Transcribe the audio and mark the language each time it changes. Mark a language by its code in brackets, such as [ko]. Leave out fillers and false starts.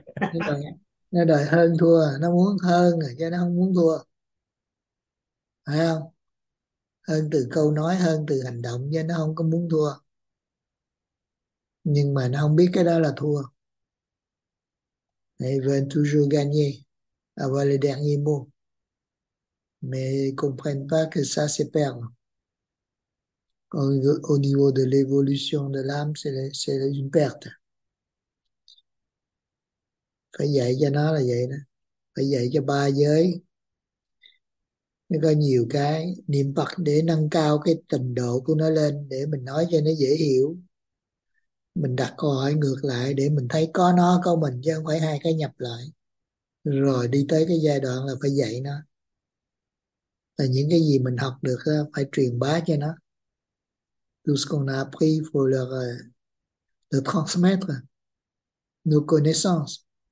[vi] quá. nó đòi hơn thua, nó muốn hơn rồi chứ nó không muốn thua, phải không? Hơn từ câu nói, hơn từ hành động chứ nó không có muốn thua, nhưng mà nó không biết cái đó là thua. [fr] Elle veut toujours gagner, avoir le dernier mot, mais comprennent pas que ça c'est perdre. Au niveau de l'évolution de l'âme, c'est une perte. [vi] Phải dạy cho nó là vậy đó, phải dạy cho ba giới. Nó có nhiều cái niệm Phật để nâng cao cái trình độ của nó lên, để mình nói cho nó dễ hiểu. Mình đặt câu hỏi ngược lại để mình thấy có nó có mình chứ không phải hai cái nhập lại. Rồi đi tới cái giai đoạn là phải dạy nó. Là những cái gì mình học được phải truyền bá cho nó. [fr] Tout ce qu'on a appris pour le transmettre nos connaissances.